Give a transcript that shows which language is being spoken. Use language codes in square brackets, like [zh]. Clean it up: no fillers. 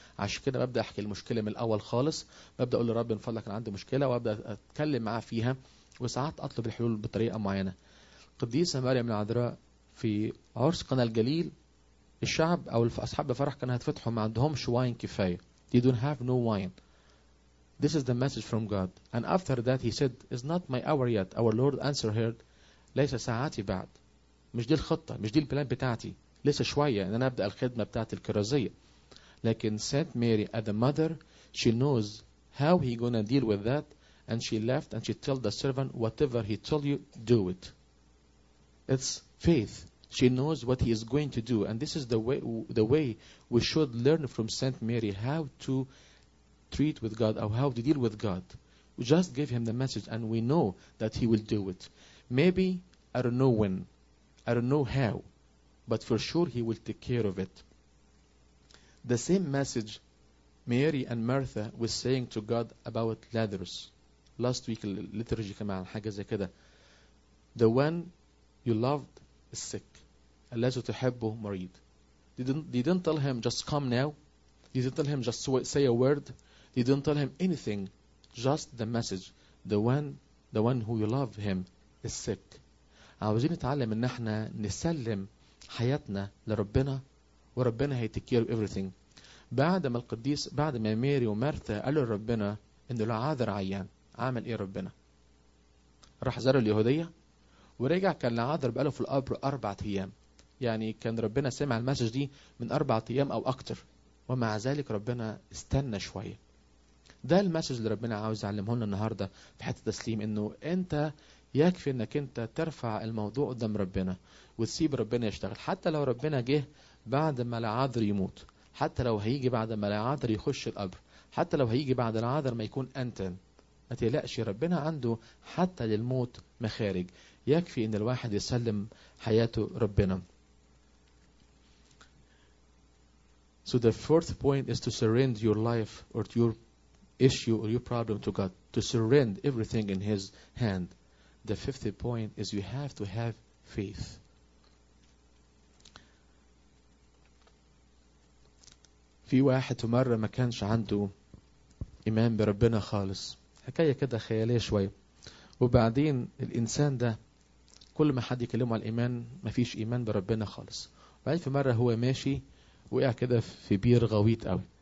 [ar] عشان كده ببدأ احكي المشكلة من الاول خالص، ببدأ اقول لرب من فضلك انا عندي مشكلة، وابدأ اتكلم معاه فيها، وساعات اطلب الحلول بطريقة معينة. قديسة مريم العذراء في عرس قنا الجليل، الشعب او اصحاب الفرح كان هتفتحوا، ما عندهمش واين كفايه. [en] They don't have no wine. This is the message from God. And after that he said, it's not my hour yet. Our Lord answered her, [ar] ليس ساعتي بعد. مش دي الخطة، مش دي البلان بتاعتي. لسه شوية ان انا ابدأ الخدمة بتاعت الكرازية. لكن [en] Saint Mary as a mother, she knows how he gonna deal with that. And she left and she told the servant, whatever he told you, do it. It's faith. She knows what he is going to do. And this is the way we should learn from Saint Mary, how to treat with God or how to deal with God. We just give him the message and we know that he will do it. Maybe, I don't know when, I don't know how, but for sure he will take care of it. The same message Mary and Martha were saying to God about Lazarus. Last week, liturgy came out, [ar] حاجة زي كده. [en] The one you loved is sick. [ar] الذي تحبه مريض. [en] They didn't tell him, just come now. They didn't tell him, just say a word. They didn't tell him anything. Just the message. The one who you love him is sick. [ar] عاوزين نتعلم ان احنا نسلم حياتنا لربنا، وربنا هي [en] take care of everything. [ar] بعد ما ميري ومارثا قالوا لربنا ان لعاذر عيان، عامل ايه ربنا؟ راح زار اليهودية ورجع. كان لعاذر بقاله في القبر 4 ايام، يعني كان ربنا سمع المسج دي من 4 ايام او اكتر، ومع ذلك ربنا استنى شوية. ده المسج اللي ربنا عاوز يعلمه لنا النهاردة في حتة تسليم، انه انت يكفي انك انت ترفع الموضوع قدام ربنا وتسيب ربنا يشتغل. حتى لو ربنا جه بعد ما لعاذر يموت، حتى لو هيجي بعد ما لعاذر يخش القبر، حتى لو هيجي بعد لعاذر ما يكون انت، ما تقلقش، ربنا عنده حتى للموت مخارج. يكفي ان الواحد يسلم حياته ربنا. [en] So the fourth point is to surrender your life or your issue or your problem to God. To surrender everything in His hand. The fifth point is you have to have faith. [ar] في واحد مرة ما كانش عنده إيمان بربنا خالص. حكاية كده خيالية شوية. وبعدين الإنسان ده كل ما حد يكلمه على الإيمان ما فيش إيمان بربنا خالص. بعدين في مرة هو ماشي وقع كده في بير غويط قوي.